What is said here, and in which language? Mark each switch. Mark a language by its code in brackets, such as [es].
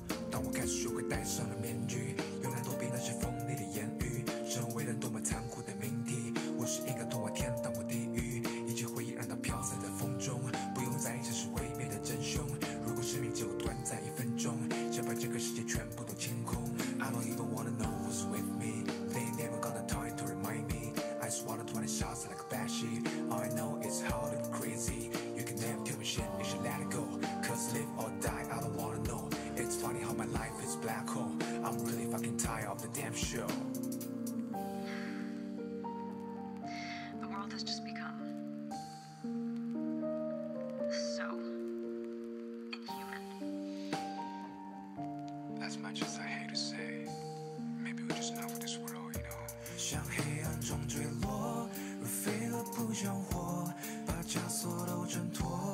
[zh] 当我开始学会戴上了面具，用来躲避那些锋利的言语，成为了多么残酷的命题。我是应该通往天堂或地狱，一切回忆让它飘散在风中，不用在意这是毁灭的真凶。如果生命只有短暂一分钟，想把这个世界全部都清空。 [en] I don't even wanna know who's with meSwallowed 20 shots like a bad sheet. All I know is how to be crazy. You can never tell me shit, you should let it go. Cause live or die, I don't wanna know. It's funny how my life is black hole. I'm really fucking tired of the damn show. The world has just become so inhuman. As much as I hate to say, maybe we're just not for this world, you know. [zh] 像黑暗中坠落，如飞蛾扑向火，把枷锁都挣脱。